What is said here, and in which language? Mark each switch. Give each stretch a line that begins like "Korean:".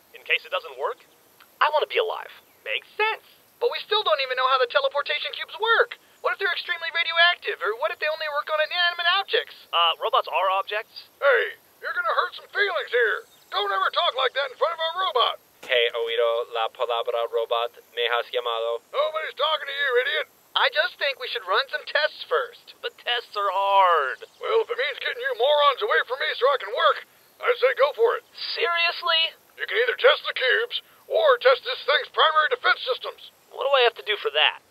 English: In case it doesn't work? I want to be alive. Makes sense. But we still don't even know how the teleportation cubes work. What if they're extremely radioactive, or what if they only work on inanimate objects? Robots are objects. Hey, you're gonna hurt some feelings here. Don't ever talk like that in front of a robot.
Spanish: Hey, oído la palabra robot, me has llamado.
English: Nobody's talking to you, idiot. I just think we should run some tests first. But tests are hard. Well, if it means getting you morons away from me so I can work, I say go for it. Seriously? You can either test the cubes, or test this thing's primary defense systems. What do I have to do for that?